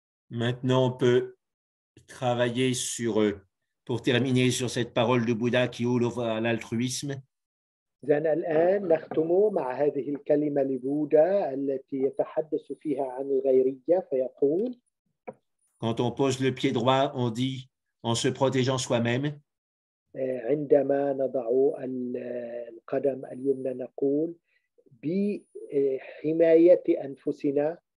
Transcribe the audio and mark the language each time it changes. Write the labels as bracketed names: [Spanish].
[French] Maintenant, on peut travailler sur, pour terminer sur cette parole de Bouddha qui ouvre à l'altruisme. [Arabic] إذن الآن نختم مع هذه الكلمة لبودا التي يتحدث فيها عن الغيرية فيقول. [French] Quand on pose le pied droit, on dit en se protégeant soi-même. [Arabic] عندما نضع القدم اليمنى نقول بحماية أنفسنا.